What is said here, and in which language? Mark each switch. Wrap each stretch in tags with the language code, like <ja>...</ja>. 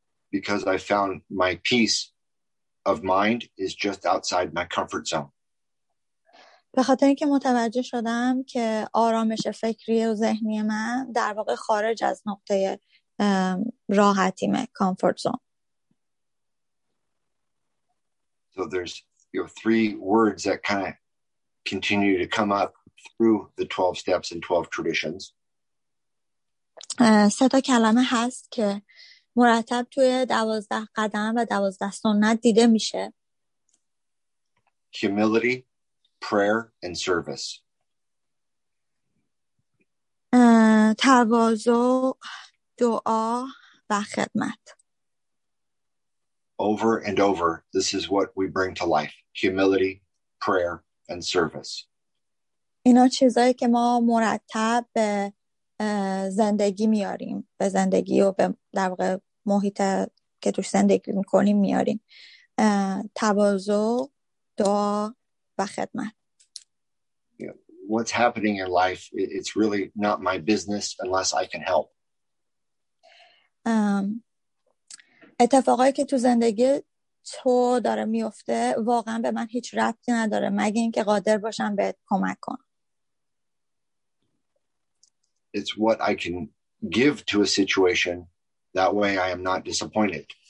<en>Because I found my peace of mind is just outside my comfort zone.</en> <fa>به خاطر اینکه متوجه شدم که آرامش فکری و ذهنی من در واقع خارج از نقطه راحتیمه، comfort zone.</fa> <en>So there's three words that kind of continue to come up through the 12 steps and 12 traditions.</en> <fa>سه تا کلمه هست که مرتب توی 12 قدم و 12 سنت دیده میشه.</fa> <en>Humility, prayer and service.</en> <fa>تواضع، دعا و خدمت.</fa> <en>Over and over, this is what we bring to life: humility, prayer, and service.</en> <fa>اینا چیزایی که ما مرتب به زندگی میاریم، به زندگی و به در واقع محیط که توش زندگی میکنیم میاریم. تواضع، دعا و خدمت.</fa> <en>What's happening in life, it's really not my business unless I can help.</en> <fa>اتفاقایی که تو زندگی تو داره میفته واقعا به من هیچ ربطی نداره مگه اینکه قادر باشم بهت کمک کنم.</fa> <en>It's what I can give to a situation, that way I am not disappointed.</en>